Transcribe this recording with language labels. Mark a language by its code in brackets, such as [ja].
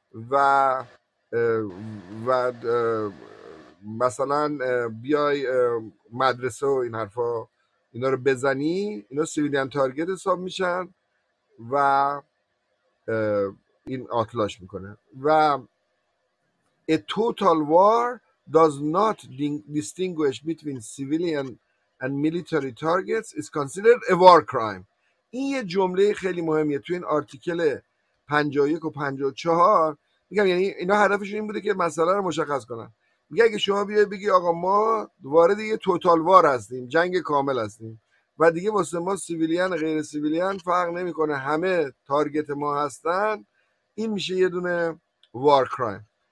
[fa] و و مثلا بیای مدرسه و این حرفا اینا رو بزنی، اینا [en] civilian target [fa] حساب میشن و این آتلاش میکنه. [en] و a total war does not distinguish between civilian and military targets is considered a war crime. [fa] این یه جمله خیلی مهمیه توی این آرتیکل 51 و 54. میگم یعنی اینا هدفشون این بوده که مسئله رو مشخص کنن. میگه اگه شما بیای بگی آقا ما وارد یه توتال وار هستیم، جنگ کامل هستیم و دیگه واسه ما سیویلین غیر سیویلین فرق نمیکنه، همه تارگت ما هستن، این میشه یه دونه وار کرایم.